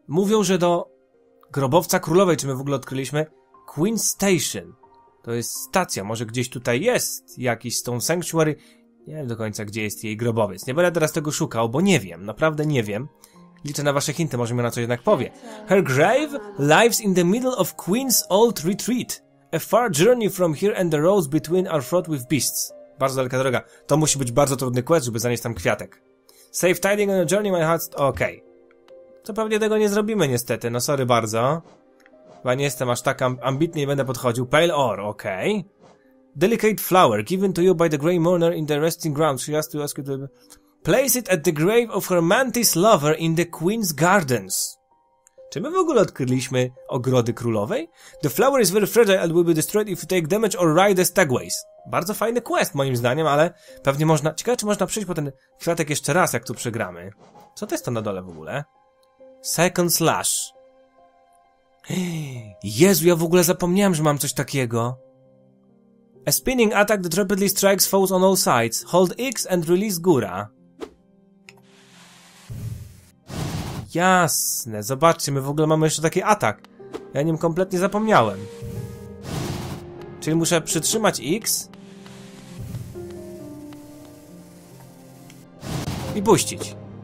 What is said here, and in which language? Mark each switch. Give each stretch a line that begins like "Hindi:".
Polish: Mówią, że do grobowca królowej, czy my w ogóle odkryliśmy, Queen Station. To jest stacja, może gdzieś tutaj jest jakiś Stone Sanctuary. Nie wiem do końca, gdzie jest jej grobowiec. Nie będę teraz tego szukał, bo nie wiem, naprawdę nie wiem. Liczę na wasze hinty, może mi ona coś jednak powie.
English: Her grave lies in the middle of Queen's old retreat. A far journey from here and the roads between are fraught with beasts.
Polish: Bardzo daleka droga. To musi być bardzo trudny quest, żeby zanieść tam kwiatek.
English: Safe tiding on a journey, my heart's...
Polish: Okej. To pewnie tego nie zrobimy, niestety. No, sorry bardzo. Chyba nie jestem aż tak ambitny i będę podchodził. Pale ore, okej.
English: Delicate flower, given to you by the grey mourner in the resting ground. She has to ask you to... Place it at the grave of her mantis lover in the queen's gardens.
Polish: Czy my w ogóle odkryliśmy ogrody królowej?
English: The flower is very fragile and will be destroyed if you take damage or ride the stagways.
Polish: Bardzo fajny quest moim zdaniem, ale pewnie można... Ciekawe, czy można przyjść po ten kwiatek jeszcze raz, jak tu przegramy. Co to jest to na dole w ogóle? Second slash. Jezu, ja w ogóle zapomniałem, że mam coś takiego.
English: A spinning attack that rapidly strikes foes on all sides. Hold X and release Gura.
Polish: Jasne, zobaczcie, my w ogóle mamy jeszcze taki atak. Ja nim kompletnie zapomniałem. Czyli muszę przytrzymać X i puścić.